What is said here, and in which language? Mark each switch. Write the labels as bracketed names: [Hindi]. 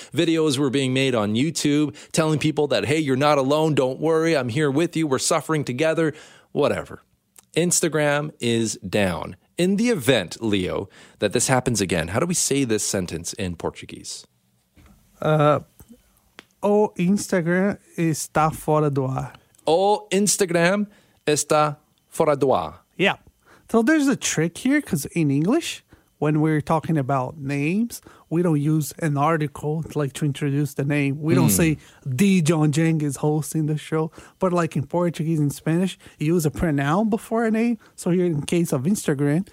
[English] Videos were being made on YouTube telling people that, hey, you're not alone. Don't worry. I'm here with you. We're suffering together. Whatever. Instagram is down. In the event, Leo, that this happens again, how do we say this sentence in Portuguese? [Portuguese] Instagram está fora do ar. Instagram está fora do ar. [English] Yeah. So there's a trick here, because in English, when we're talking about names, we don't use an article like to introduce the name. We don't say the John Jang is hosting the show. But like in Portuguese and Spanish, you use a pronoun before a name. So here in case of Instagram,